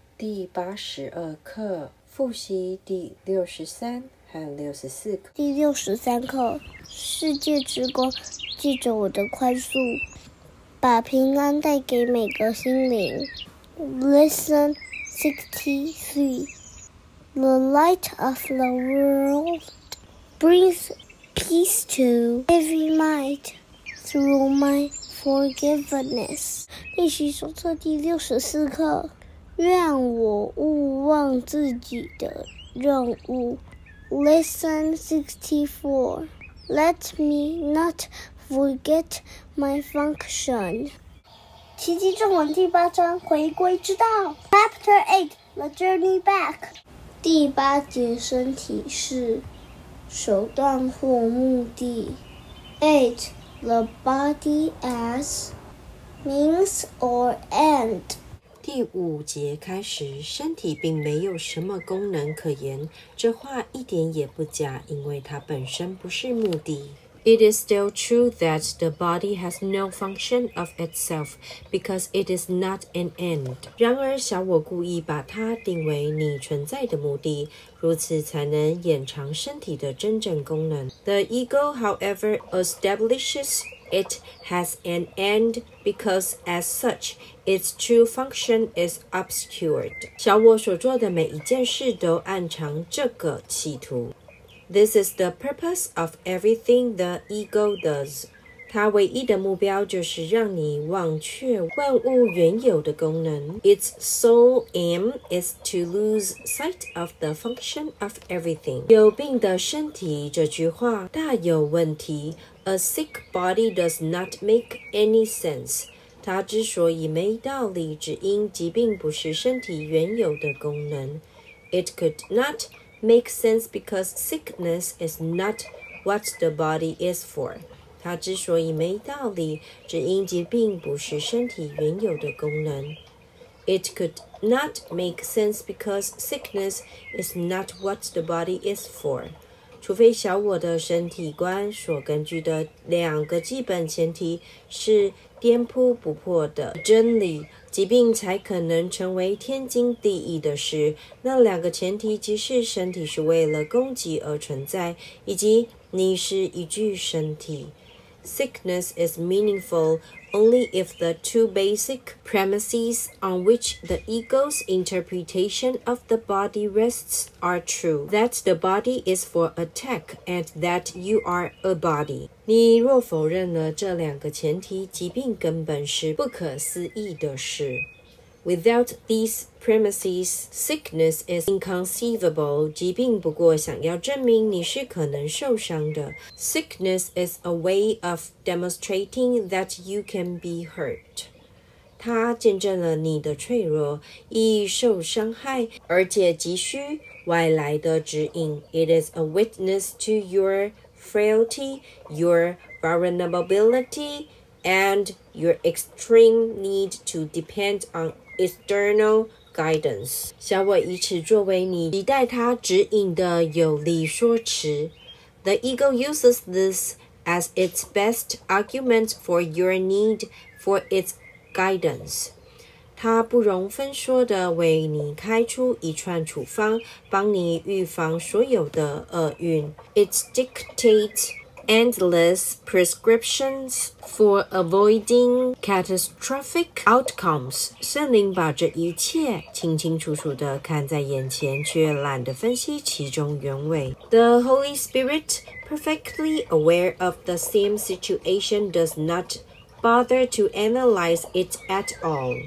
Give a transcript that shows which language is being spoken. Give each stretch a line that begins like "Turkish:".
Chinese: 第八十二课，复习第六十三和六十四课。第六十三课，世界之光，借着我的宽恕，把平安带给每个心灵。
English: Lesson 63. The light of the world brings peace to every mind. Through my forgiveness.
Chinese: 练习手册第六十四课，愿我勿忘自己的任务。
English: Lesson 64. Let me not forget my function.
Chinese: 奇迹正文第八章，回归之道。
English: Chapter 8. The journey back.
Chinese: 第八节身体是手段或目的。
English: 8. The body as means or end.
Chinese: 第五节开始，身体并没有什么功能可言，这话一点也不假，因为它本身不是目的。
English: It is still true that the body has no function of itself because it is not an end.
Chinese: 然而，小我故意把它定为你存在的目的，如此才能延长身体的真正功能。
English: The ego, however, establishes it has an end because as such, its true function is obscured.
Chinese: 小我所做的每一件事都暗藏这个企图。
English: This is the purpose of everything the ego does.
Chinese: 它唯一的目标就是让你忘却万物原有的功能。
English: Its sole aim is to lose sight of the function of everything.
Chinese: 有病的身体这句话大有问题。
English: A sick body does not make any sense.
Chinese: 它之所以没道理，只因疾病不是身体原有的功能。
English: It could not make sense because sickness is not what the body is for.
Chinese: 它之所以没道理，只因疾病不是身体原有的功能。
English: It could not make sense because sickness is not what the body is for.
Chinese: 除非小我的身体观所根据的两个基本前提是颠扑不破的真理，疾病才可能成为天经地义的事。那两个前提即是身体是为了攻击而存在，以及你是一具身体。
English: Sickness is meaningful only if the two basic premises on which the ego's interpretation of the body rests are true. That the body is for attack and that you are a body.
Chinese: 你若否认了这两个前提，疾病根本是不可思议的事。
English: Without these premises, sickness is inconceivable.
Chinese: 疾病不过想要证明你是可能受伤的。
English: Sickness is a way of demonstrating that you can be hurt.
Chinese: 它见证了你的脆弱，易受伤害，而且急需外来的指引。
English: It is a witness to your frailty, your vulnerability, and your extreme need to depend on external guidance.
Chinese: 小我以此作为你期待他指引的有力说辞。
English: The ego uses this as its best argument for your need for its guidance.
Chinese: 他不容分说的为你开出一串处方，帮你预防所有的厄运。
English: It dictates endless prescriptions for avoiding catastrophic outcomes.
Chinese: 圣灵把这一切清清楚楚地看在眼前，却懒得分析其中原委。
English: The Holy Spirit, perfectly aware of the same situation, does not bother to analyze it at all.